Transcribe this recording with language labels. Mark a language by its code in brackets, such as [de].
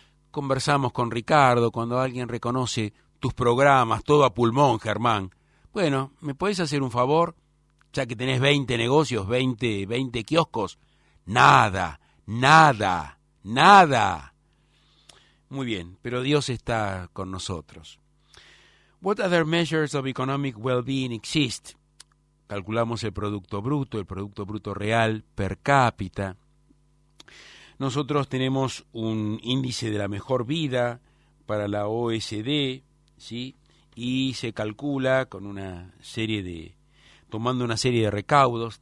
[es] Conversamos con Ricardo cuando alguien reconoce tus programas, todo a pulmón, Germán. Bueno, ¿me puedes hacer un favor? Ya que tenés 20 negocios, 20 kioscos. Nada, nada, nada. Muy bien, pero Dios está con nosotros. [en] What other measures of economic well-being exist? [es] Calculamos el Producto Bruto Real per cápita. Nosotros tenemos un índice de la mejor vida para la OECD, ¿sí? Y se calcula con una serie de, tomando una serie de recaudos.